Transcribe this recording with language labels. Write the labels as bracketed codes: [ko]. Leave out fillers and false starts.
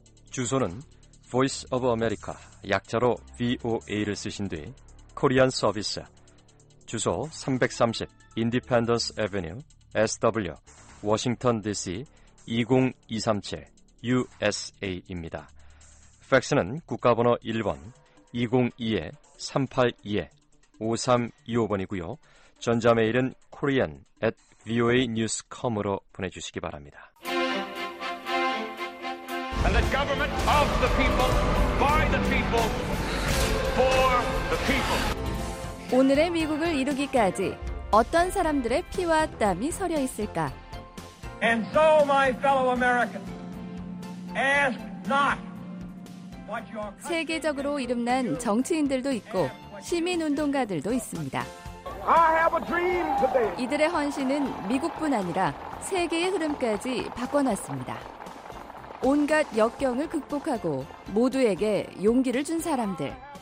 [ko] 주소는 Voice of America, 약자로 VOA를 쓰신 뒤 Korean Service, 주소 330 Independence Avenue, SW, Washington DC 20237, USA입니다. 팩스는 국가번호 1번 202-382-5325번이고요. 전자메일은 korean@voanews.com으로 보내주시기 바랍니다. [en] And the government of the people, by the people, for the people. [ko] 오늘의 미국을 이루기까지 어떤 사람들의 피와 땀이 서려 있을까? [en] And so my fellow Americans, ask not what your country. [ko] 세계적으로 이름난 정치인들도 있고 시민운동가들도 있습니다. [en] I have a dream today. [ko] 이들의 헌신은 미국뿐 아니라 세계의 흐름까지 바꿔놨습니다. 온갖 역경을 극복하고 모두에게 용기를 준 사람들.